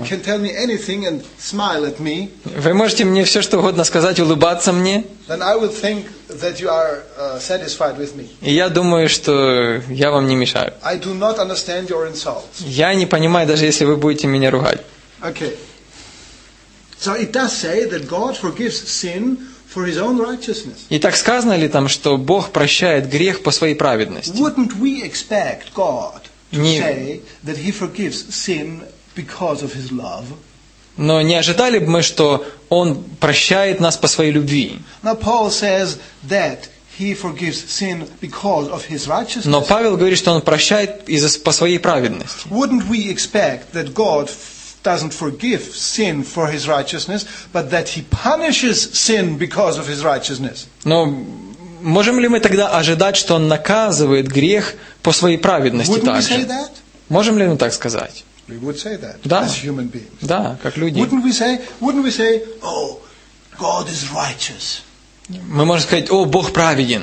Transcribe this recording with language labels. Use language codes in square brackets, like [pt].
[en] You can tell me anything and smile at me. [ru] Вы можете мне все что угодно сказать, улыбаться мне. [en] Then I would think that you are satisfied with me. [ru] И я думаю, что я вам не мешаю. [en] I do not understand your insults. [ru] Я не понимаю, даже если вы будете меня ругать. [en] Okay. So it does say that God forgives sin for his own righteousness. [ru] И так сказано ли там, что Бог прощает грех по своей праведности? [en] Wouldn't we expect God to say that he forgives sin because of his love? [ru] Но не ожидали бы мы, что он прощает нас по своей любви? [en] Now Paul says that he forgives sin because of his righteousness. [ru] Но Павел говорит, что он прощает из-за по своей праведности. [en] Wouldn't we expect that God doesn't forgive sin for his righteousness, but that he punishes sin because of his righteousness. [ru] Но можем ли мы тогда ожидать, что он наказывает грех по своей праведности [en] Wouldn't [ru] также? [en] We say that? [ru] Можем ли мы так сказать? [en] We would say that. [ru] Да. [en] As human beings. [ru] Да, как люди. [en] Wouldn't we say, oh, God is righteous. [ru] Мы можем сказать, о, Бог праведен.